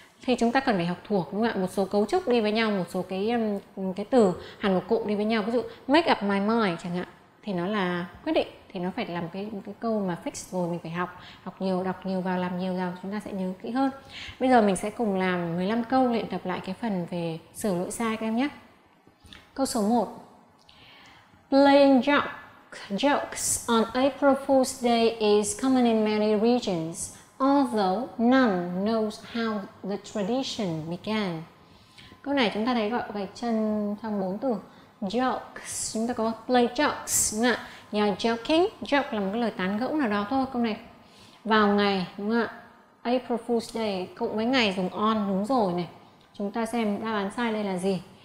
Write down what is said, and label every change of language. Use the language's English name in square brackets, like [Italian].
[Vietnamese] Thì chúng ta cần phải học thuộc đúng không ạ? Một số cấu trúc đi với nhau, một số cái từ hẳn một cụm đi với nhau. Ví dụ [English] make up my mind [Vietnamese] chẳng hạn thì nó là quyết định, thì nó phải làm cái câu mà fix rồi mình phải học, học nhiều, đọc nhiều vào, làm nhiều vào chúng ta sẽ nhớ kỹ hơn. Bây giờ mình sẽ cùng làm 15 câu luyện tập lại cái phần về sửa lỗi sai các em nhé. Câu số 1. [English] Playing jokes on April Fool's Day is common in many regions, although none knows how the tradition began. [Vietnamese] Câu này chúng ta thấy gọi gạch chân trong 4 từ. Jokes, chúng ta có play jokes đúng không ạ? Nhà joking, joke là một cái lời tán gẫu nào đó thôi. Câu này vào ngày đúng không ạ? April Fool's Day cộng với ngày dùng on, đúng rồi này. Chúng ta xem đáp án sai đây là gì.